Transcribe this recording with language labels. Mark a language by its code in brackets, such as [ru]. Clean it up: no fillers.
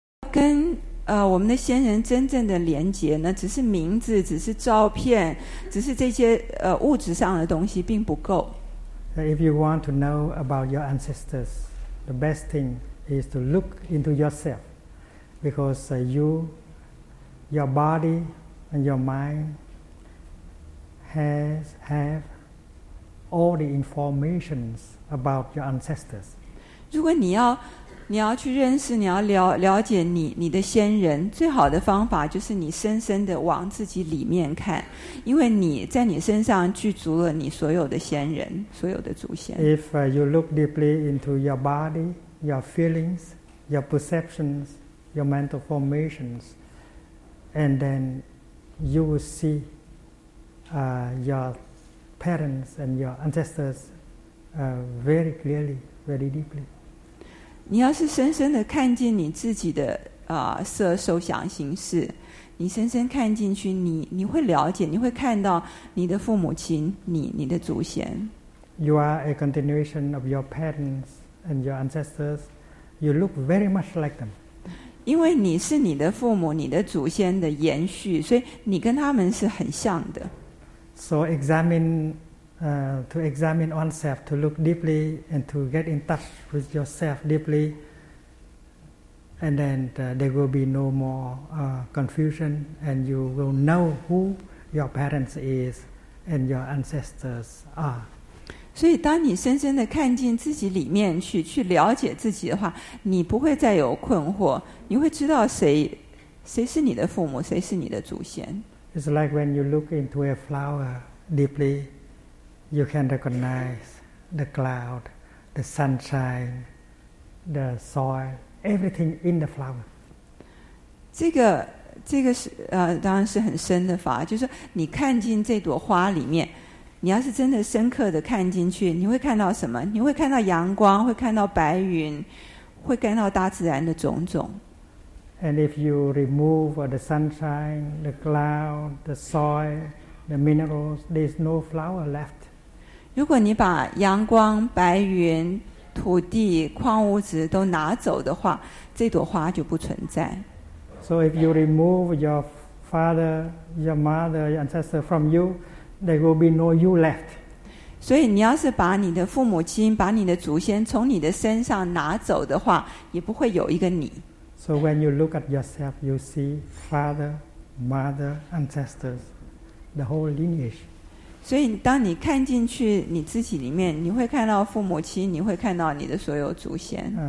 [zh] 跟我们的先人真正的连接呢，只是名字，只是照片，只是这些物质上的东西并不够。 [en] If you want to know about your ancestors, the best thing is to look into yourself, because your body and your mind have. All the informations about your ancestors. [zh] 如果你要去认识，你要了解你的先人，最好的方法就是你深深的往自己里面看，因为你在你身上具足了你所有的先人，所有的祖先。 [en] If you look deeply into your body, your feelings, your perceptions, your mental formations, and then you will see your parents and your ancestors very clearly, very deeply. [zh] 你要是深深的看见你自己的色受想行识，你深深看进去，你会了解，你会看到你的父母亲，你的祖先。 [en] You are a continuation of your parents and your ancestors. You look very much like them. [zh] 因为你是你的父母，你的祖先的延续，所以你跟他们是很像的。 [en] So examine, to examine oneself, to look deeply and to get in touch with yourself deeply. And then there will be no more confusion, and you will know who your parents is and your ancestors are. [zh] 所以当你深深地看进自己里面去，去了解自己的话，你不会再有困惑，你会知道谁是你的父母，谁是你的祖先。 [en] It's like when you look into a flower deeply, you can recognize the cloud, the sunshine, the soil. Everything in the flower. [zh] 这个是当然是很深的法，就是你看进这朵花里面，你要是真的深刻的看进去，你会看到什么？你会看到阳光，会看到白云，会看到大自然的种种。 [en] And if you remove the sunshine, the cloud, the soil, the minerals, there's no flower left. [zh] 如果你把阳光、白云土地、矿物质都拿走的话，这朵花就不存在。 [en] So if you remove your father, your mother, your ancestor from you, there will be no you left. [zh] 所以你要是把你的父母亲、把你的祖先从你的身上拿走的话，也不会有一个你。 [en] So when you look at yourself, you see father, mother, ancestors, the whole lineage. [zh] 所以当你看进去你自己里面，你会看到父母亲，你会看到你的所有祖先。